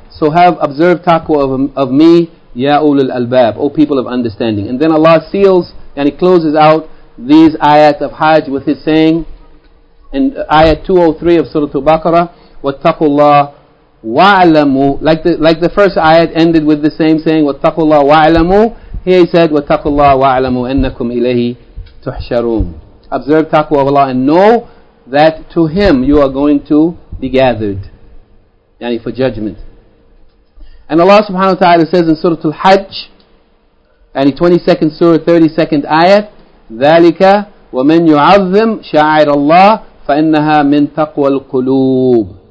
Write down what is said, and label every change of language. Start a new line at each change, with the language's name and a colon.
English: So have observed taqwa of me, ya ulul albab, O people of understanding. And then Allah seals and He closes out these ayats of Hajj with His saying, in ayat 203 of Surah Al-Baqarah,
Arabic: وَاتَّقُوا اللَّهِ وَاعْلَمُوا.
English: Like the first ayat ended with the same saying, وَاتَّقُوا اللَّهِ وَاعْلَمُوا. Here he said,
Arabic: وَاتَّقُوا اللَّهَ وَاعْلَمُوا أَنَّكُمْ إِلَيْهِ تُحْشَرُونَ.
English: Observe taqwa of Allah and know that to Him you are going to be gathered. Yani for judgment. And Allah subhanahu wa ta'ala says in Surah Al-Hajj, yani 22nd Surah, 32nd Ayat,
Arabic: ذَلِكَ وَمَنْ يُعَظِّمْ شَعَائِرَ اللَّهِ فَإِنَّهَا مِنْ تَقْوَى الْقُلُوبِ.